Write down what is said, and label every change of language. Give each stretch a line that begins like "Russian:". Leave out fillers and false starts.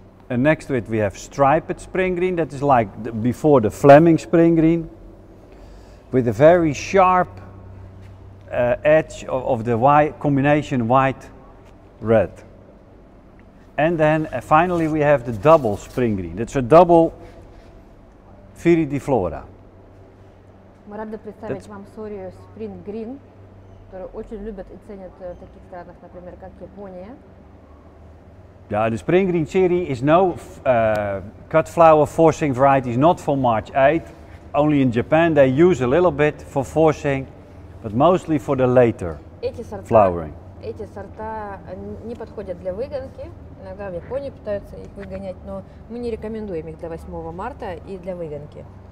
English: And next to it we have striped spring green. That is like before the Fleming spring green, with a very sharp edge of the white combination white red. And then finally we have the double spring green. It's a double Viridiflora.
Russian: Мы рады представить вам сорию Spring Green, которую очень любят и ценят в таких странах, например, как Япония.
English: Yeah, the Spring Green series is no cut flower forcing varieties, not for March 8. Only in Japan they use a little bit for forcing, but mostly for the later flowering.
Russian: Эти сорта не подходят для выгонки. Иногда в Японии пытаются их выгонять, но мы не рекомендуем их для 8 марта и для выгонки.